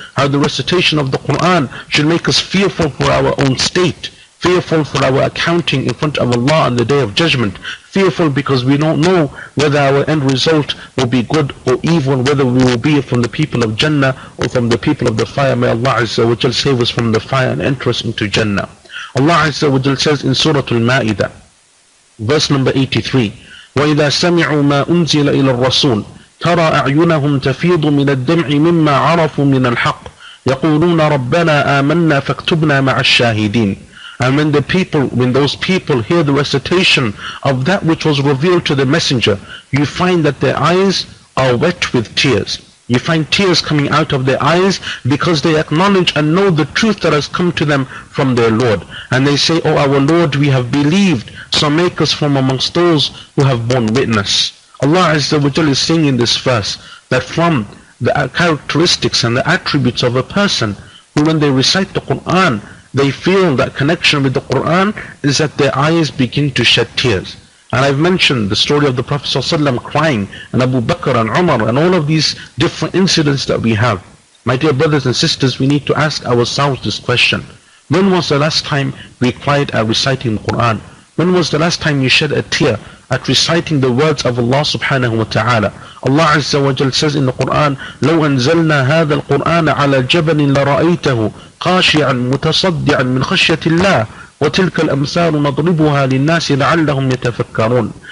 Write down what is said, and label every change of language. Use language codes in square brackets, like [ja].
[en] how the recitation of the Quran should make us fearful for our own state, fearful for our accounting in front of Allah on the Day of Judgment, fearful because we don't know whether our end result will be good or evil, whether we will be from the people of Jannah or from the people of the fire. May Allah Azza wa Jal save us from the fire and enter us into Jannah. Allah Azza wa Jal says in Surah Al-Ma'idah, verse number 83, [ar] وَإِذَا سَمِعُوا مَا أُنزِلَ إِلَى الرَّسُولِ تَرَى أَعْيُنَهُمْ تَفِيضُ مِنَ الدَّمْعِ مِمَّا عَرَفُوا مِنَ الْحَقِّ يَقُولُونَ رَبَّنَا آمَنَّا فَاكْتُبْنَا مَعَ الشَّاهِدِينَ. [en] And when those people hear the recitation of that which was revealed to the messenger, you find that their eyes are wet with tears. You find tears coming out of their eyes because they acknowledge and know the truth that has come to them from their Lord. And they say, oh, our Lord, we have believed, so make us from amongst those who have borne witness. Allah Azza wa Jalla is saying in this verse that from the characteristics and the attributes of a person who, when they recite the Quran, they feel that connection with the Quran, is that their eyes begin to shed tears. And I've mentioned the story of the Prophet ﷺ crying, and Abu Bakr and Umar, and all of these different incidents that we have. My dear brothers and sisters, we need to ask ourselves this question. When was the last time we cried at reciting the Quran? When was the last time you shed a tear at reciting the words of Allah subhanahu wa ta'ala? Allah Azza wa Jal says in the Quran, [ar] لو أنزلنا هذا القرآن على جبل لرأيته خاشعا متصدعا من خشية الله وتلك الأمثال نضربها للناس لعلهم يتفكرون.